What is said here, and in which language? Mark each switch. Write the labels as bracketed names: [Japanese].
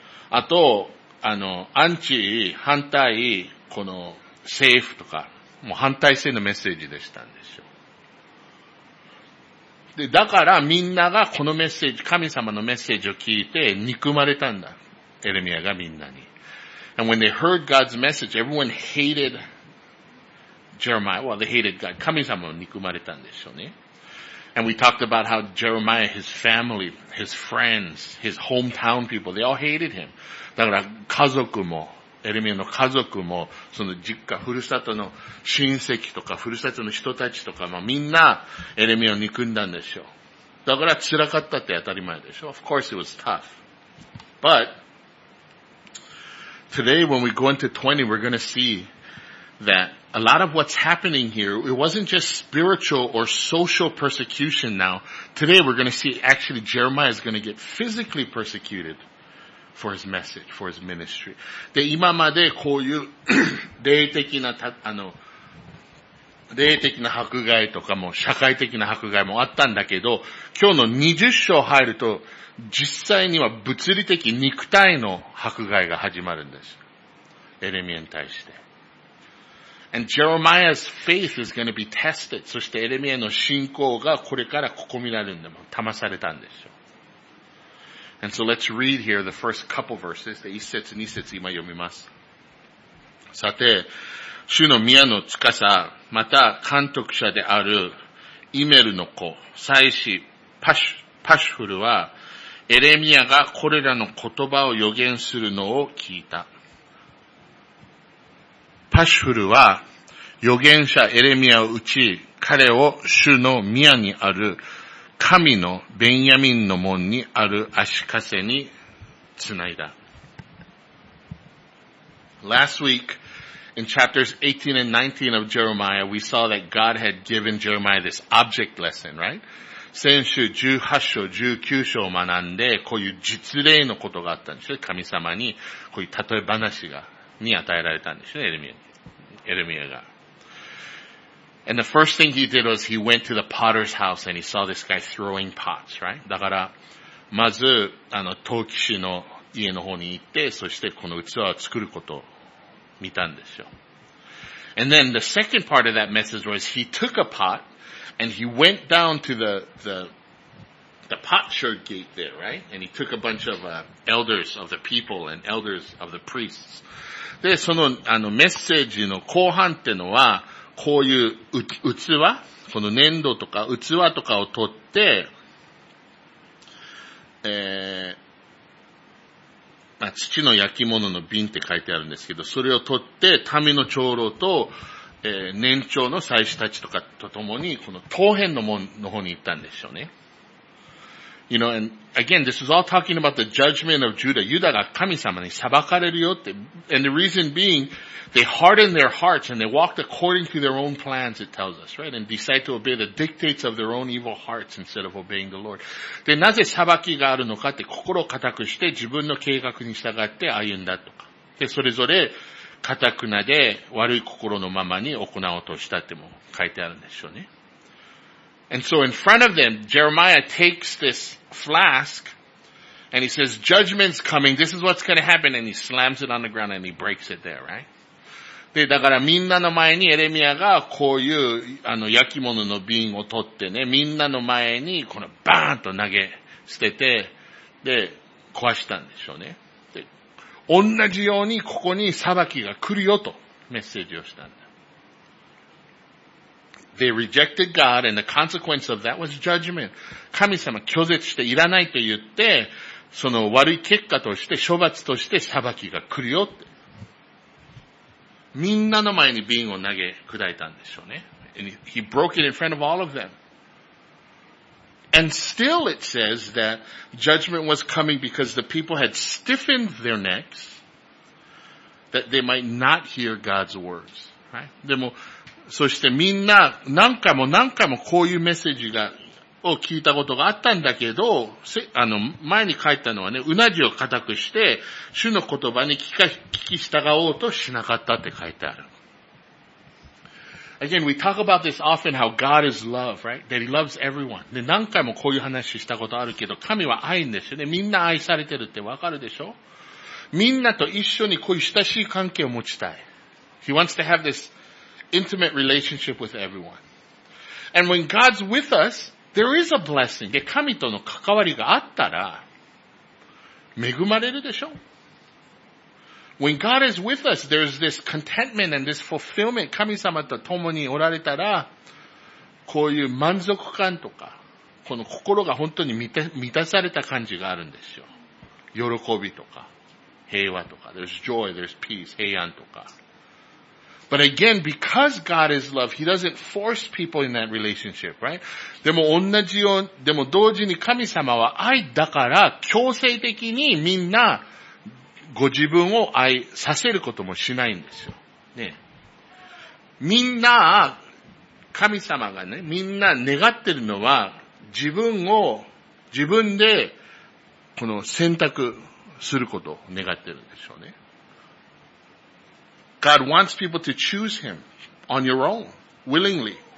[Japanese] あと、反対、この、政府とか、もう反対性のメッセージでしたんでしょう。で、だからみんながこのメッセージ、神様のメッセージを聞いて、憎まれたんだ。エレミアがみんなに。 [English] And when they heard God's message, everyone hated Jeremiah, well, they hated God. [Japanese] 神様を憎まれたんでしょうね。 [English] And we talked about how Jeremiah, his family, his friends, his hometown people, they all hated him. [Japanese] だから家族も、エレミアの家族も、その実家、ふるさとの親戚とか、ふるさとの人たちとか、まあ、みんなエレミアを憎んだんでしょう。だから辛かったって当たり前でしょう。 [English] Of course it was tough. But, today when we go into 20, we're going to see that a lot of what's happening here, it wasn't just spiritual or social persecution now. Today we're going to see actually Jeremiah is going to get physically persecuted for his message, for his ministry. [Japanese] で、今までこういう霊的な、霊的な迫害とかも社会的な迫害もあったんだけど、今日の20章入ると実際には物理的肉体の迫害が始まるんです。エレミアに対して。 [English] And Jeremiah's faith is going to be tested. [Japanese] そしてエレミアの信仰がこれから試されるんだ。試されたんですよ。 [English] And so let's read here the first couple verses. [Japanese] 一節二節今読みます。さて、主の宮の司、また監督者であるイメルの子、祭司パシュフルは、エレミアがこれらの言葉を予言するのを聞いた。パシュフルは、予言者エレミアを討ち、彼を主の宮にある神のベンヤミンの門にある足かせにつないだ。 [English] Last week, in chapters 18 and 19 of Jeremiah, we saw that God had given Jeremiah this object lesson, right? [Japanese] 先週18章、19章を学んで、こういう実例のことがあったんですよ。神様に、こういう例え話が、に与えられたんですよ、エレミアが。 [English] And the first thing he did was he went to the potter's house and he saw this guy throwing pots, right? [Japanese] だから、まず、陶器師の家の方に行って、そしてこの器を作ることを見たんですよ。 [English] And then the second part of that message was he took a pot and he went down to the potsherd gate there, right? And he took a bunch of elders of the people and elders of the priests. [Japanese] で、そのメッセージの後半ってのは、こういう器、この粘土とか器とかを取って、父の焼き物の瓶って書いてあるんですけど、それを取って民の長老と、年長の祭司たちとかとともに、この当変の門の方に行ったんでしょうね。 [English] You know, and again, this is all talking about the judgment of Judah. [Japanese] ユダが神様に裁かれるよって。 [English] And the reason being, they hardened their hearts and they walked according to their own plans, it tells us, right? And decide to obey the dictates of their own evil hearts instead of obeying the Lord. [Japanese] で、なぜ裁きがあるのかって心を固くして自分の計画に従って歩んだとか。で、それぞれ固くなで悪い心のままに行おうとしたっても書いてあるんでしょうね。 [English] And so in front of them, Jeremiah takes this flask and he says, judgment's coming, this is what's going to happen, and he slams it on the ground and he breaks it there, right? [Japanese] で、だからみんなの前にエレミアがこういう焼き物の瓶を取ってね、みんなの前にこのバーンと投げ捨てて、で、壊したんでしょうね。で、同じようにここに裁きが来るよとメッセージをしたんだ。 [English] They rejected God and the consequence of that was judgment. [Japanese] 神様拒絶していらないと言って、その悪い結果として、処罰として裁きが来るよって。みんなの前に瓶を投げ砕いたんでしょうね。 [English] And he broke it in front of all of them. And still it says that judgment was coming because the people had stiffened their necks that they might not hear God's words. [Japanese] Right? でも、そしてみんな何回も何回もこういうメッセージが、を聞いたことがあったんだけど、前に書いたのはね、うなじを固くして、主の言葉に聞き従おうとしなかったって書いてある。 [English] Again, we talk about this often how God is love, right? That he loves everyone. [Japanese] で、何回もこういう話したことあるけど、神は愛んですよね。みんな愛されてるってわかるでしょ？みんなと一緒にこういう親しい関係を持ちたい。 [English] He wants to have this intimate relationship with everyone. And when God's with us, there is a blessing. [Japanese] で、神との関わりがあったら、恵まれるでしょ？ [English] When God is with us, there's this contentment and this fulfillment. [Japanese] 神様と共におられたら、こういう満足感とか、この心が本当に満たされた感じがあるんですよ。喜びとか、平和とか、 [English] there's joy, there's peace, [Japanese] 平安とか。 [English] But again, because God is love, He doesn't force people in that relationship, right? [Japanese] でも同じよう、でも同時に神様は愛だから強制的にみんなご自分を愛させることもしないんですよ。ね。みんな、神様がね、みんな願ってるのは自分を、自分でこの選択することを願ってるんでしょうね。 [English] God wants people to choose Him on your own, willingly.